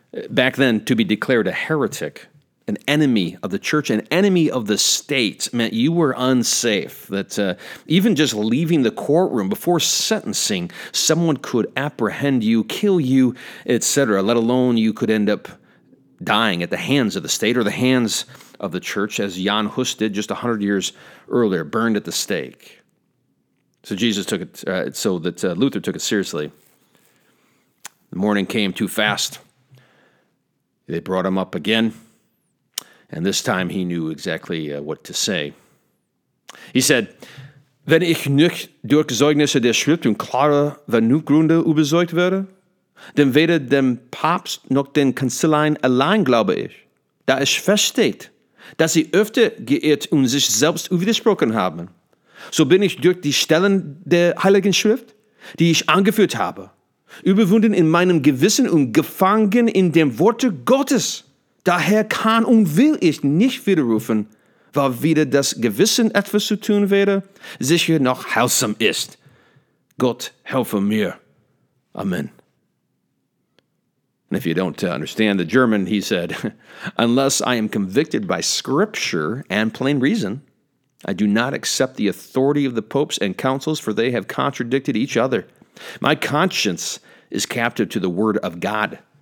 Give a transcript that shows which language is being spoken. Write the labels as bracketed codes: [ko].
[en] back then, to be declared a heretic, an enemy of the church, an enemy of the state, meant you were unsafe, that even just leaving the courtroom before sentencing, someone could apprehend you, kill you, etc., let alone you could end up dying at the hands of the state or the hands of the church, as Jan Hus did just 100 years earlier, burned at the stake. So Jesus took it, so that Luther took it seriously. The morning came too fast. They brought him up again. And this time he knew exactly what to say. He said, [de] Wenn ich nicht durch Zeugnisse der Schrift und klare Vernunftgründe überzeugt werde, denn weder dem Papst noch den Kanzleien allein glaube ich, da es feststeht, dass sie öfter geirrt und sich selbst widersprochen haben, so bin ich durch die Stellen der Heiligen Schrift, die ich angeführt habe, überwunden in meinem Gewissen und gefangen in dem Worte Gottes. Daher kann und will ich nicht widerrufen, weil weder das Gewissen etwas zu tun wäre, sicher noch heilsam ist. Gott helfe mir. Amen. [en] And if you don't understand the German, he said, unless I am convicted by Scripture and plain reason, I do not accept the authority of the popes and councils, for they have contradicted each other. My conscience is captive to the word of God.